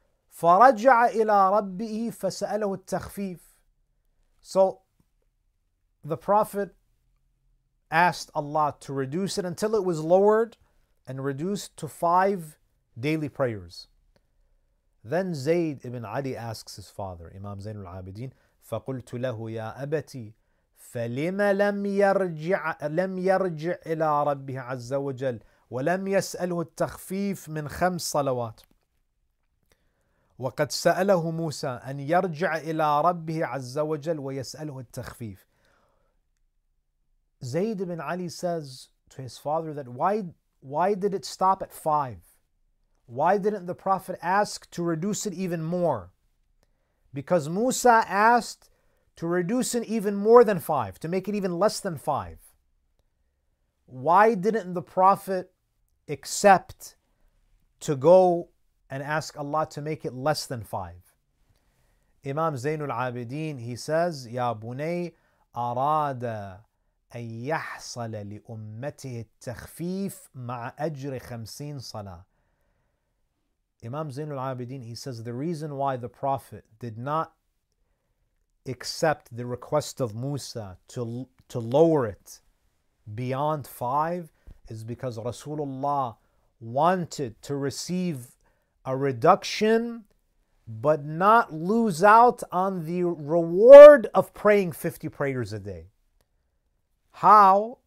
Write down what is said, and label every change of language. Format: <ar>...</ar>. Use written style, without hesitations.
<ar>فَرَجَعَ إِلَىٰ رَبِّهِ فَسَأَلَهُ التَّخْفِيفِ.</ar> <en>So the Prophet asked Allah to reduce it until it was lowered and reduced to 5 daily prayers. Then Zayd ibn Ali asks his father, Imam Zain al-Abidin,</en> <ar>فَقُلْتُ لَهُ يَا أَبَتِي فَلِمَ لَمْ يَرْجِعْ إِلَىٰ رَبِّهِ عَزَّ وَجَلْ وَلَمْ يَسْأَلْهُ التَّخْفِيفُ مِنْ 5 صَلَوَاتٍ وَقَدْ سَأَلَهُ مُوسَىٰ أَنْ يَرْجِعَ إِلَىٰ رَبِّهِ عَزَّ وَجَلْ وَيَسْأَلْهُ التَّخْفِيفُ.</ar> <en>Zayd ibn Ali says to his father that why did it stop at 5? Why didn't the Prophet ask to reduce it even more? Because Musa asked to reduce it even more than 5, to make it even less than 5. Why didn't the Prophet accept to go and ask Allah to make it less than 5?</en> <ar>Imam Zainul Abidin,</ar> <en>he says,</en> <ar>Ya Bunay, أراد أن يحصل لأمته التخفيف مع أجر 50 صلاة.</ar> <en>Imam Zainul Abidin, he says, the reason why the Prophet did not accept the request of Musa to lower it beyond 5 is because Rasulullah wanted to receive a reduction but not lose out on the reward of praying 50 prayers a day. How?</en>